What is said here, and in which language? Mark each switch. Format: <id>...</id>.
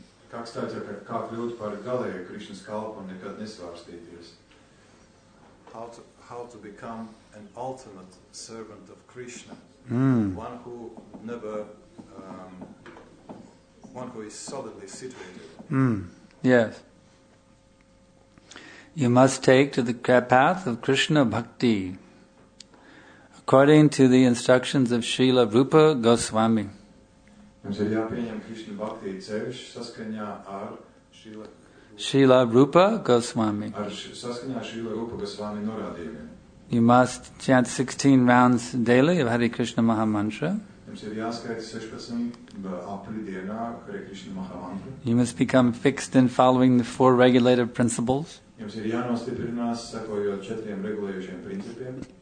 <lv>Kā stāt, kā kļūt par galēju Krišnas kalpu un nekad nesvārstīties?</lv> <en>How to become an ultimate servant of Krishna? One who never, one who is solidly situated. Yes. You must take to the path of Krishna bhakti according to the instructions of Srila Rupa Goswami.</en> <lv>Jums ir jāpieņem Krishna bhakti ceļš saskaņā ar Srila Rupa Goswami. Ar saskaņā Srila Rupa Goswami norādījumiem.</lv> <en>You must chant 16 rounds daily of Hare Krishna Maha Mantra.</en> <lv>Jums ir jāskaita 16 apli dienā Hare Krishna Maha Mantra.</lv> <en>You must become fixed in following the four regulative principles.</en> <lv>Jums ir jānostiprinās sekojot četriem regulējušiem principiem.</lv>